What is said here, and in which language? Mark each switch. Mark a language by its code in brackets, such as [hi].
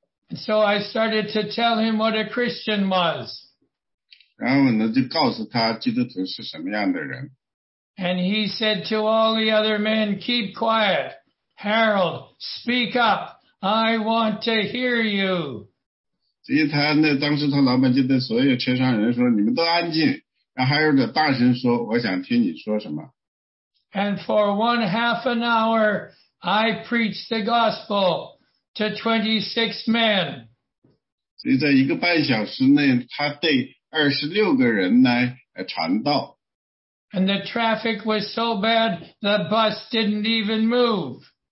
[en] And so I started to tell him what a Christian was. [zh] 然后呢，就告诉他基督徒是什么样的人。 [en] And he said to all the other men, keep quiet. Harold, speak up. I want to hear you. [zh] 所以他那当时他老板就对所有车上人说，你们都安静，然后还有点大声说，我想听你说什么。 [en] And for one half an hour, I preached the gospel to 26 men. [zh] 所以在一个半小时内，他对26个人来传道。 [en] And the traffic was so bad, the bus didn't even move.